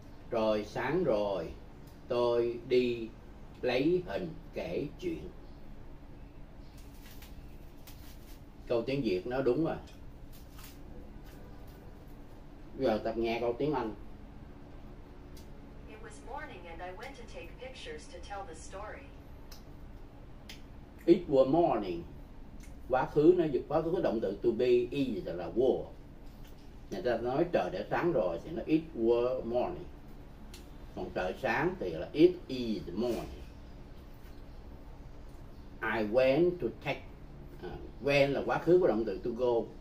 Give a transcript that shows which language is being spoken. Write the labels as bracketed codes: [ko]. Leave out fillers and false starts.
[vi] Rồi sáng rồi tôi đi lấy hình kể chuyện. câu tiếng Việt nó đúng rồi. Bây giờ tập nghe câu tiếng Anh. [en] It was morning and I went to take pictures to tell the story. It was morning. [vi] Quá khứ nó dịch quá khứ có động từ to be is là were. Người ta nói trời đã sáng rồi thì nó [en] it was morning. [vi] Còn trời sáng thì là [en] it is morning. I went to take. [vi] Went là quá khứ của động từ to go.